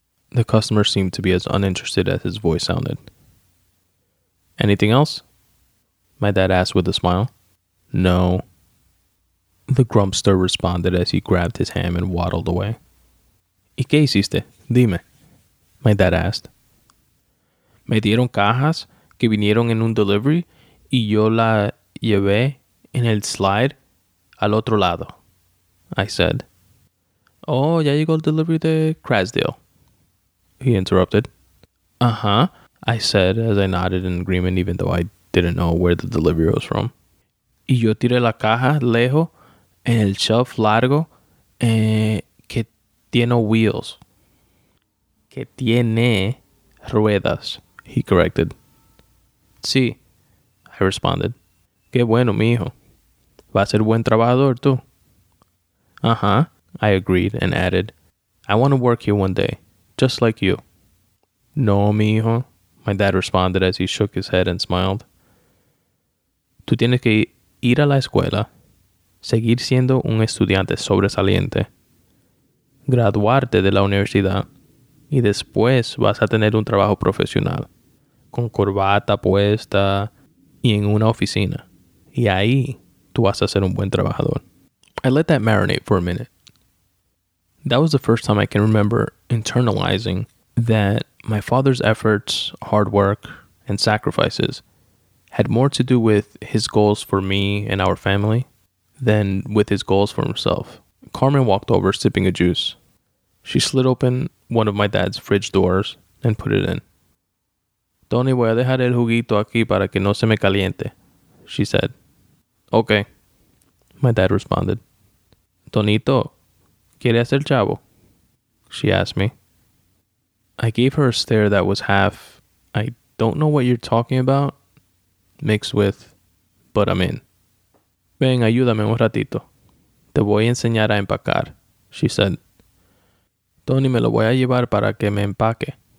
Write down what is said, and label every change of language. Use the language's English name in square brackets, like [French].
[English] The customer seemed to be as uninterested as his voice sounded. Anything else? My dad asked with a smile. No. The grumpster responded as he grabbed his ham and waddled away. [Spanish] ¿Y qué hiciste? Dime. [English] My dad asked. [Spanish] Me dieron cajas que vinieron en un delivery y yo la llevé en el slide al otro lado, [English] I said. [Spanish] Oh, ya llegó el delivery de Crasdale, [English] he interrupted. Uh-huh, I said as I nodded in agreement even though I didn't know where the delivery was from. [Spanish] Y yo tiré la caja lejos en el shelf largo que tiene wheels. Que tiene ruedas, [English] he corrected. [Spanish] Sí, [English] I responded. [Spanish] Qué bueno, mijo. Va a ser buen trabajador, tú. [English] Uh-huh, I agreed and added, I want to work here one day, just like you. [Spanish] No, mijo, [English] my dad responded as he shook his head and smiled. [Spanish] Tú tienes que ir a la escuela, seguir siendo un estudiante sobresaliente, graduarte de la universidad, y después vas a tener un trabajo profesional, con corbata puesta y en una oficina. Y ahí tú vas a ser un buen trabajador. [English] I let that marinate for a minute. That was the first time I can remember internalizing that my father's efforts, hard work, and sacrifices had more to do with his goals for me and our family than with his goals for himself. Carmen walked over, sipping a juice. She slid open one of my dad's fridge doors and put it in. [Spanish] Tony, voy a dejar el juguito aquí para que no se me caliente, [English] she said. Okay, my dad responded. [Spanish] Tonito, ¿quiere hacer chavo? [English] She asked me. I gave her a stare that was half, I don't know what you're talking about, mixed with, but I'm in. [Spanish] Ven, ayúdame un ratito. Te voy a enseñar a empacar, [English] she said. [Spanish] Tony, me lo voy a llevar para que me empaque,